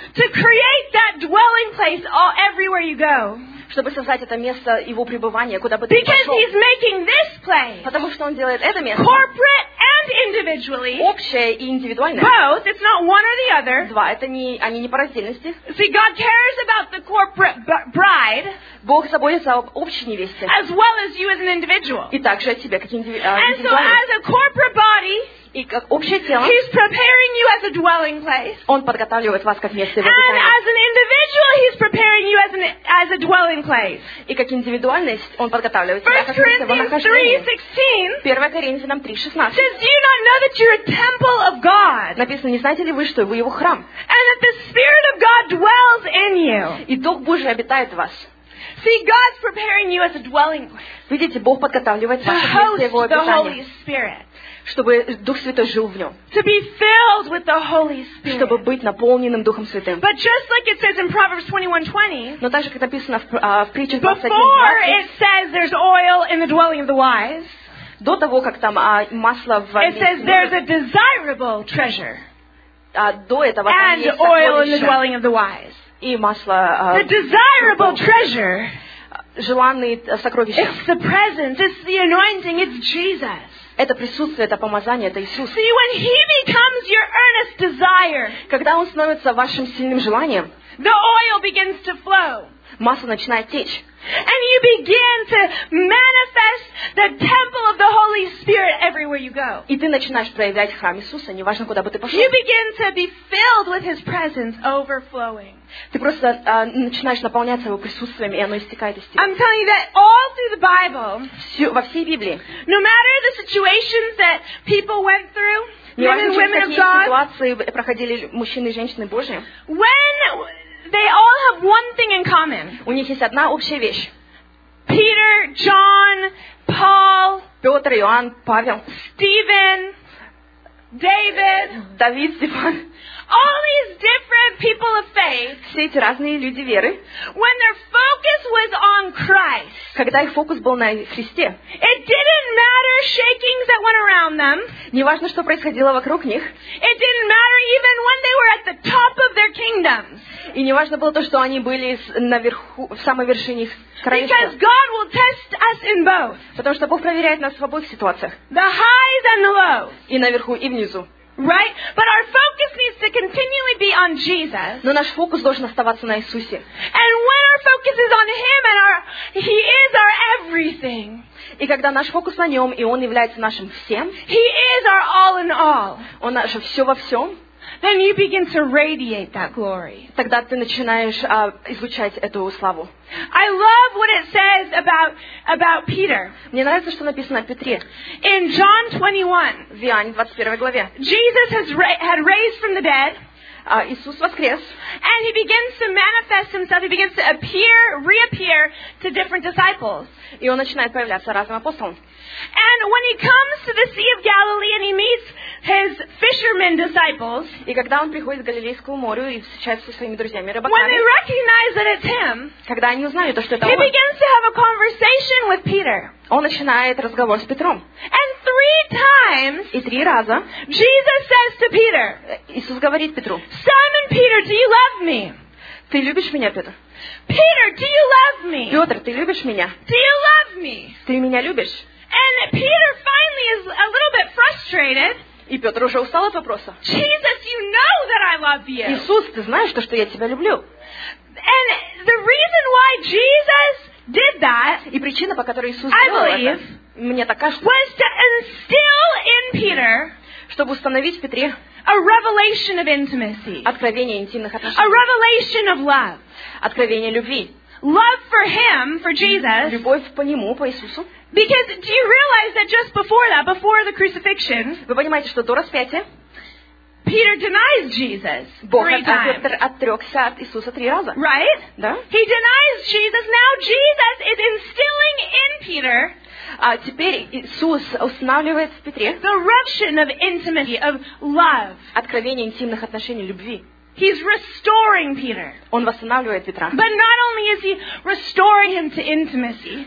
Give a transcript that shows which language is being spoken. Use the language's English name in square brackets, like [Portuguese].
[English] To create that dwelling place all everywhere you go. [Russian] Чтобы создать это место его пребывания, куда бы ты ни пошел. [English] Because he's making this place. [Russian] Потому что он делает это место. [English] Corporate and individually. [Russian] Общее и индивидуальное. [English] Both. It's not one or the other. [Russian] Два. Это не они не по раздельности. [English] See, God cares about the corporate bride. [Russian] Бог заботится об общей невесте. [English] As well as you as an individual. [Russian] И также о тебе как индивидуальный. [English] And so as a corporate body. [Russian] И как общее тело. [English] He's preparing you as a dwelling place. [Russian] Он подготавливает вас как место его обитания. [English] And as an individual, he's preparing you as a dwelling place. [Russian] И как индивидуальность, он подготавливает вас как место его нахождения. 1 Коринфянам 3:16. [English] Says, do you not know that you're a temple of God? [Russian] Написано, не знаете ли вы, что вы его храм? [English] And that the Spirit of God dwells in you. [Russian] И Дух Божий обитает в вас. [English] See, God's preparing you as a dwelling place. [Russian] Видите, Бог подготавливает вас как место его обитания. [English] The Holy Spirit. [Russian] Чтобы Дух Святой жил в нем. [English] To be filled with the Holy Spirit. [Russian] Чтобы быть наполненным Духом Святым. [English] But just like it says in Proverbs 21:20. [Russian] Но так же, как написано в притчах 21:20. [English] Before it says there's oil in the dwelling of the wise. [Russian] До того, как там масло в. [English] It says there's a desirable treasure. [Russian] До этого. [English] And oil in the dwelling of the wise. [Russian] И масло. [English] The desirable treasure. [Russian] Желанные сокровища. [English] It's the presence. It's the anointing. It's Jesus. [Russian] Это присутствие, это помазание, это Иисус. [English] See, when he becomes your earnest desire, [Russian] когда Он становится вашим сильным желанием, [English] the oil begins to flow, [Russian] масло начинает течь. [English] And you begin to manifest the temple of the Holy Spirit everywhere you go. [Russian] И ты начинаешь проявлять храм Иисуса, неважно куда бы ты пошел. [English] You begin to be filled with His presence overflowing. [Russian] Ты просто начинаешь наполняться его присутствием, и оно истекает из тебя. [English] I'm telling you that all through the Bible, [Russian] во всей Библии, [English] no matter the situations that people went through, Women of God. [Russian] Ситуации проходили мужчины и женщины Божьи. [English] When they all have one thing in common. [Russian] У них есть одна общая вещь. [English] Peter, John, Paul. [Russian] Петр, Иоанн, Павел. [English] Stephen, David. [Russian] Давид, Степан. [English] All these different people of faith. [Russian] Все эти разные люди веры. [English] When their focus was on Christ. [Russian] Когда их фокус был на Христе. [English] It didn't matter shakings that went around them. [Russian] Не важно, что происходило вокруг них. [English] It didn't matter even when they were at the top of their kingdoms. [Russian] И не важно было то, что они были наверху, в самой вершине их королевства. [English] Because God will test us in both. [Russian] Потому что Бог проверяет нас в обоих ситуациях. [English] The highs and the lows. [Russian] И наверху, и внизу. [English] Right, but our focus needs to continually be on Jesus. [Russian] Но наш фокус должен оставаться на Иисусе. [English] And when our focus is on Him and our He is our everything. [Russian] И когда наш фокус на Нем и Он является нашим всем. [English] He is our all in all. [Russian] Он наше все во всем. [English] Then you begin to radiate that glory. [Russian] Тогда ты начинаешь излучать эту славу. [English] I love what it says about Peter. [Russian] Мне нравится, что написано о Петре. [English] In John 21. [Russian] В Иоанне 21 главе. [English] Jesus had raised from the dead. [Russian] Иисус воскрес. [English] And he begins to manifest himself. He begins to appear, reappear to different disciples. [Russian] И он начинает появляться разным апостолам. [English] And when he comes to the Sea of Galilee and he meets his fishermen disciples, [Russian] и когда он приходит к Галилейскому морю и встречается со своими друзьями рыбаками, [English] when they recognize that it's him, [Russian] когда они узнают то, что это он, [English] he begins to have a conversation with Peter. [Russian] Он начинает разговор с Петром. [English] And three times, [Russian] и три раза, [English] Jesus says to Peter, [Russian] Иисус говорит Петру, [English] Simon Peter, do you love me? [Russian] Ты любишь меня, Петр? [English] Peter, do you love me? [Russian] Петр, ты любишь меня? [English] Do you love me? [Russian] Ты меня любишь? [English] And Peter finally is a little bit frustrated. [Russian] И Петр уже устал от вопроса. [English] Jesus, you know that I love you. [Russian] Иисус, ты знаешь то, что я тебя люблю. [English] And the reason why Jesus did that, [Russian] и причина, по которой Иисус сделал это, мне так кажется, [English] was to instill in Peter, [Russian] чтобы установить в Петре [English] a revelation of intimacy, [Russian] откровение интимных отношений, [English] a revelation of love, [Russian] откровение любви. [English] Love for him, for Jesus. [Russian] Любовь по нему, по Иисусу. [English] Because do you realize that just before that, before the crucifixion, [Russian] вы понимаете, что до распятия, [English] Peter denies Jesus three times. [Russian] Бог отрекся от Иисуса три раза. [English] Right? [Russian] Да. [English] He denies Jesus. Now Jesus is instilling in Peter. [Russian] А теперь Иисус устанавливает в Петре [English] the revelation of intimacy, of love. [Russian] Откровение интимных отношений, любви. [English] He's restoring Peter. [Russian] Он восстанавливает Петра. [English] But not only is he restoring him to intimacy.